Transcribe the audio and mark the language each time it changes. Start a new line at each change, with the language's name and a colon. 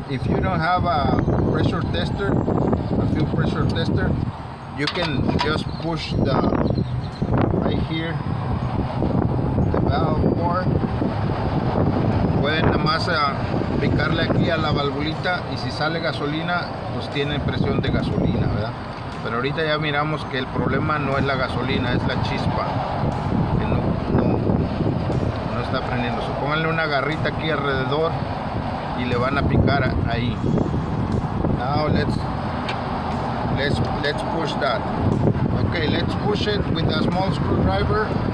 English: If you don't have a pressure tester, a fuel pressure tester, you can just push the right here, the valve port.
Spanish: Pueden nada más picarle aquí a la valvulita y si sale gasolina, pues tiene presión de gasolina, ¿verdad? Pero ahorita ya miramos que el problema no es la gasolina, es la chispa que no está prendiendo. So, pónganle una garrita aquí alrededor y le van a picar ahí.
English: Now let's push that. Okay, let's push it with a small screwdriver.